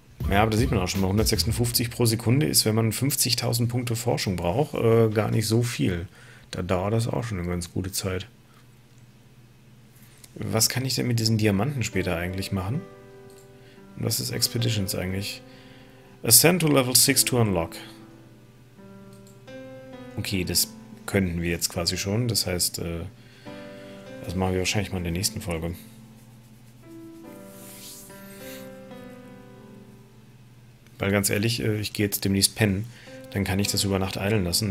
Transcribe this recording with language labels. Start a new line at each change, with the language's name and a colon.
German: Ja, aber da sieht man auch schon mal, 156 pro Sekunde ist, wenn man 50.000 Punkte Forschung braucht, gar nicht so viel. Da dauert das auch schon eine ganz gute Zeit. Was kann ich denn mit diesen Diamanten später eigentlich machen? Und was ist Expeditions eigentlich?
English: Ascend to Level 6 to unlock.
German: Okay, das könnten wir jetzt quasi schon. Das heißt, das machen wir wahrscheinlich mal in der nächsten Folge. Weil ganz ehrlich, ich gehe jetzt demnächst pennen. Dann kann ich das über Nacht eilen lassen.